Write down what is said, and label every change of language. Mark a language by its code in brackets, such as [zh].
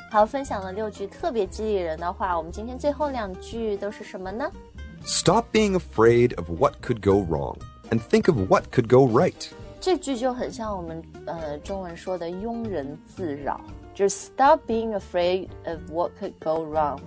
[zh] 好，分享了六句特别激励人的话，我们今天最后两句都是什么呢？ [en] Stop being afraid of what could go wrong and think of what could go right. [zh] 这句就很像我们中文说的庸人自扰。 [en] Just stop being afraid of what could go wrong.